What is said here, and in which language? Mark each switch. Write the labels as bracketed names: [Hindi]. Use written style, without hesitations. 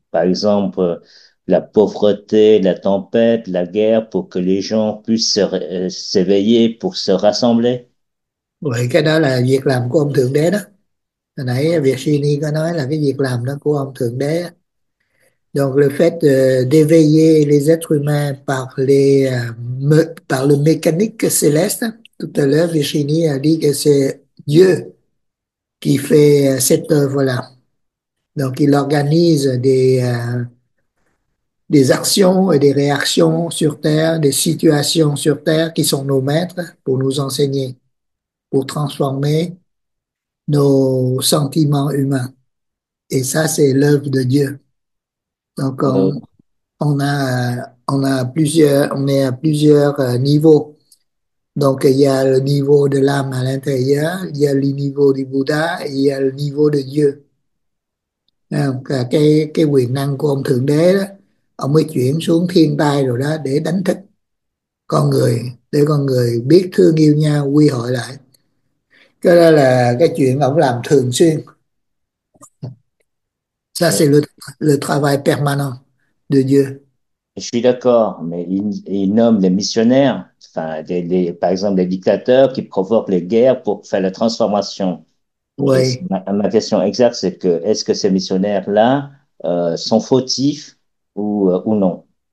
[French] Par exemple, la pauvreté, la tempête, la guerre, pour que les gens puissent s'éveiller, pour se rassembler. [Vietnamese] Vậy cái đó là việc làm của ông Thượng Đế đó. Hồi nãy việc Shini có nói là cái việc làm đó của ông Thượng Đế đó. [French] Donc le fait d'éveiller les êtres humains par le mécanique céleste, tout à l'heure Shini a dit que c'est Dieu qui fait cette œuvre-là. Donc il organise des actions et des réactions sur Terre, des situations sur Terre qui sont nos maîtres pour nous enseigner, pour transformer nos sentiments humains. Et ça, c'est l'œuvre de Dieu. Donc, on est à plusieurs niveaux. Donc, il y a le niveau de l'âme à l'intérieur, il y a le niveau du Bouddha et il y a le niveau de Dieu. [Vietnamese] Donc, cái quyền năng của ông Thượng Đế đó, ông mới chuyển xuống thiên tai rồi đó để đánh thức con người, để con người biết thương yêu nhau, quy hội lại. Cái đó là cái chuyện ông làm thường xuyên. [French] Ça, c'est le travail permanent de Dieu. Je suis d'accord, mais il nomme les missionnaires, enfin, par exemple, les dictateurs qui provoquent les guerres pour faire la transformation. Et Oui. ma question exacte, c'est que est-ce que ces missionnaires-là sont fautifs ou non?